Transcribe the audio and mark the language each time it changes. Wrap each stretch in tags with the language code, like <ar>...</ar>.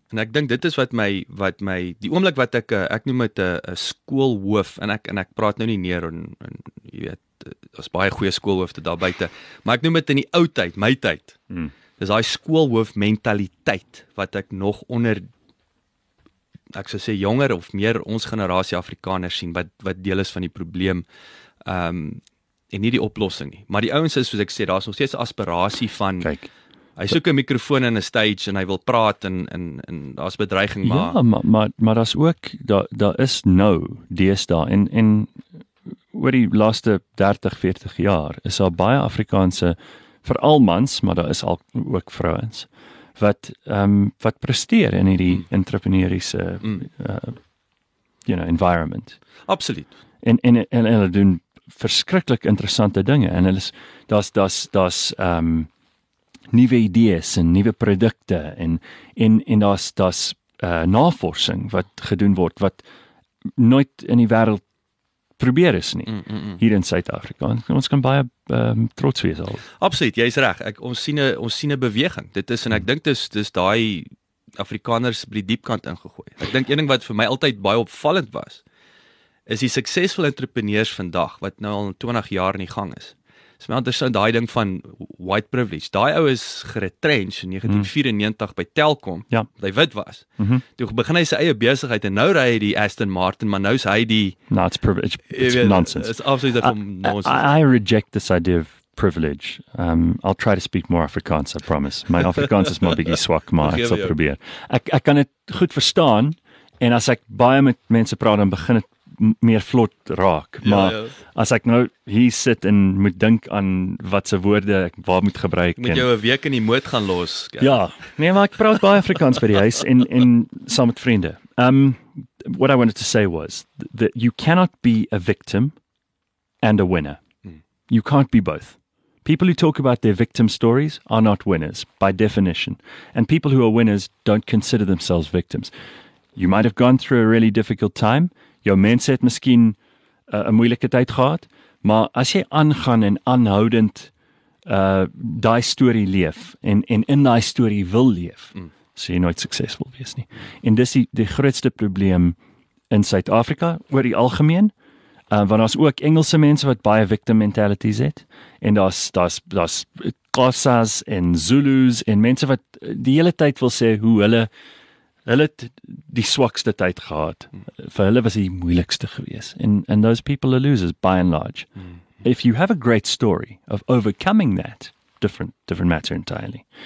<af>En ek dink dit is wat my die oomblik wat ek noem het 'n skoolhoof, en ek praat nou nie neer, en jy weet, daar's baie goeie skoolhoofde daar buite, maar ek noem het in die ou tyd, my tyd, is daai skoolhoof mentaliteit wat ek nog onder, ek sou sê jonger of meer ons generasie Afrikaners sien, wat deel is van die probleem, en nie die oplossing nie. Maar die ouens is, soos ek sê, daar is nog steeds aspirasie van, kyk, hy soek een mikrofoon en een stage en hy wil praat en daar is bedreiging. Maar, ja, maar daar is ook, daar is nou deesdae, en oor die laaste 30, 40 jaar, is daar baie Afrikaanse, vooral mans, maar daar is ook vrouens, wat presteer in die entrepreneuriese environment. Absoluut. En hulle doen verskriklik interessante dinge, en hulle is, daar's nuwe idees en nuwe produkte, en daar's navorsing wat gedoen word, wat nooit in die wêreld probeer is nie, hier in Suid-Afrika. Ons kan baie trots wees al. Absoluut, jy is reg. Ons sien 'n beweging. Dit is, en ek dink dis daai Afrikaners by die diepkant ingegooi. Ek dink een ding wat vir my altyd baie opvallend was, is die suksesvolle entrepreneurs vandag, wat nou al 20 jaar in die gang is. Is my interessant daai ding van white privilege. Daai ou is geretrench in 1994 by Telkom, ja, wat hy wit was. Toe begin hy sy eie besigheid, en nou ry hy die Aston Martin, maar nou is hy die...</af> <en>No, it's privilege. It's nonsense. It's absolutely from nonsense. I reject this idea of privilege. I'll try to speak more Afrikaans, I promise.</en> <af>My Afrikaans is my biggie swak, maar ek sal probeer. Ek kan het goed verstaan, en as ek baie met mense praat, dan begin het meer vlot raak, maar as ek nou hier sit en moet dink aan wat se woorde ek waar moet gebruik. Moet jou 'n week in die moot gaan los. Kijk. Ja, nee, maar ek praat baie Afrikaans by die huis en saam met vriende.</af> <en>What I wanted to say was that you cannot be a victim and a winner. You can't be both. People who talk about their victim stories are not winners, by definition. And people who are winners don't consider themselves victims. You might have gone through a really difficult time.</en> <af>Jou mense het miskien 'n moeilike tyd gehad, maar as jy aangaan en aanhoudend daai storie leef en in daai storie wil leef, sal jy nooit suksesvol wees nie. En dis die grootste probleem in Suid-Afrika, oor die algemeen, want daar's ook Engelse mense wat baie victim mentalities het, en daar's Xhosas en Zulus en mense wat die hele tyd wil sê hoe hulle het die swakste tyd gehad. Vir hulle was die moeilikste gewees.</af> <en>And those people are losers, by and large. If you have a great story of overcoming that, different matter entirely.</en>